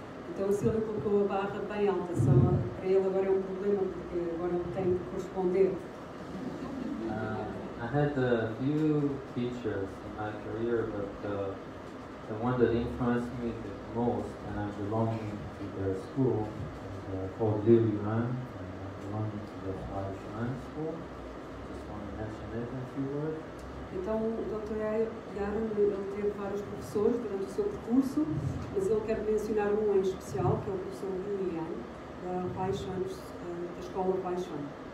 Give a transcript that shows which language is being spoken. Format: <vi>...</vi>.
<pt>Então, Sylvia colocou a barra bem alta, só para ele agora é problema, porque agora ele tem que corresponder.</pt> <en>I had a few teachers in my career, but the one that influenced me the most, and I'm belonging to their school, called Liu Yuan, and I'm belonging to the Hai Shuan School. Just want to mention it in a few words.</en> <pt>Então, o Dr. Yaren teve vários professores durante o seu percurso, mas ele quer mencionar um em especial, que é o professor Liu Yuan, da Escola Hai Shuan.</pt>